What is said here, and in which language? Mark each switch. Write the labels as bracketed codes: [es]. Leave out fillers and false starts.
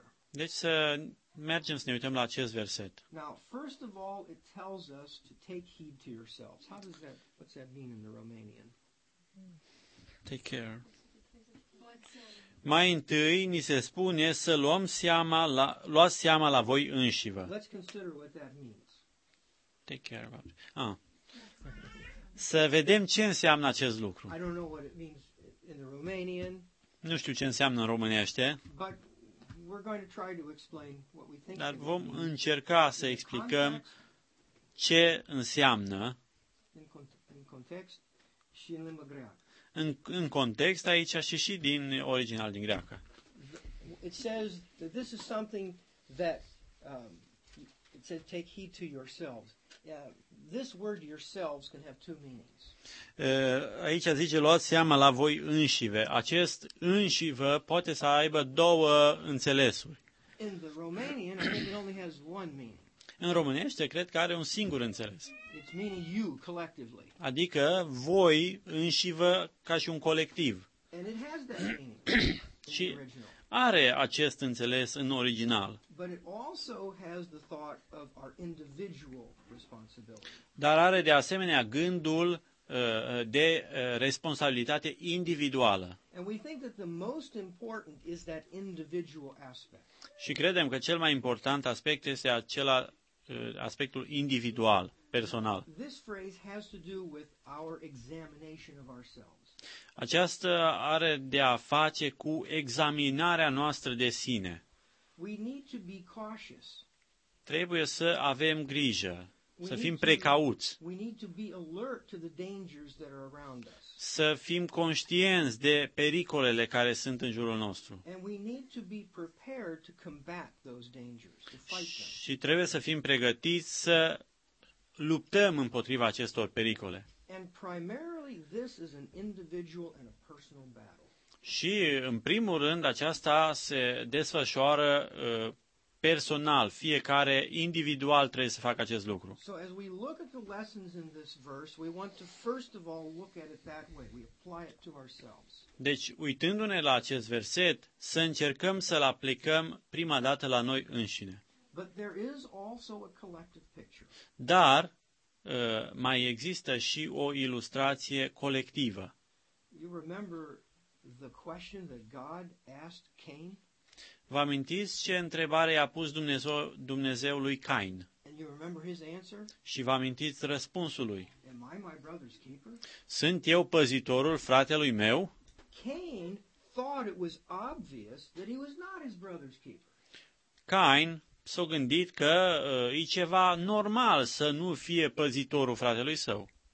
[ro] Deci să mergem să ne uităm la acest verset. [en] Now, first of all, it tells us to take heed to yourselves. How does that, what's that mean in the Romanian? Take care. [ro] Mai întâi ni se spune să luăm seama la, luați seama la voi înșivă. [en] Let's consider what that means. Take care about it. Ah. [ro] Să vedem ce înseamnă acest lucru. [en] I don't know what it means in the Romanian, [ro] nu știu ce înseamnă în românește, [en] but we're going to try to explain what we think. [ro] Dar vom încerca să explicăm ce înseamnă în context și în limba greacă. În context aici și din original din greacă. [en] It says that this is something that it says take heed to yourselves. This word yourselves can have two meanings. [ro] Aici zice luați seama la voi înșive. Acest înșive poate să aibă două înțelesuri. [en] In the Romanian, I think it only has one meaning. [ro] În românește cred că are un singur înțeles. [en] It's meaning you collectively. [ro] Adică voi înșive ca și un colectiv. [en] And it has that meaning. [ro] Și are acest înțeles în original. [en] But it also has the thought of our individual responsibility. [ro] Dar are de asemenea gândul de responsabilitate individuală. [en] And we think that the most important is that individual aspect. [ro] Și credem că cel mai important aspect este acela aspectul individual, personal. [en] This phrase has to do with our examination of ourselves. [ro] Aceasta are de a face cu examinarea noastră de sine. [en] We need to be cautious. [ro] Trebuie să avem grijă, să fim precauți. [en] We need to be alert to the dangers that are around us. [ro] Să fim conștienți de pericolele care sunt în jurul nostru. [en] And we need to be prepared to combat those dangers, to fight them. [ro] Și trebuie să fim pregătiți să luptăm împotriva acestor pericole. [en] And primarily this is an individual and a personal battle. [ro] Și în primul rând aceasta se desfășoară personal, fiecare individual trebuie să facă acest lucru. [en] So as we look at the lessons in this verse, we want to first of all look at it that way, we apply it to ourselves. [ro] Deci uitându-ne la acest verset, să încercăm să-l aplicăm prima dată la noi înșine. [en] But there is also a collective picture. [ro] Dar mai există și o ilustrație colectivă. [en] You remember the question that God asked Cain? [ro] Vă amintiți ce întrebare i-a pus Dumnezeu lui Cain? [en] And you remember his answer? [ro] Și vă amintiți răspunsul lui? [en] Am I my brother's keeper? [ro] Sunt eu păzitorul fratelui meu? [en] Cain thought it was obvious that he was not his brother's keeper. [ro] Cain s-a gândit că e ceva normal să nu fie păzitorul fratelui său.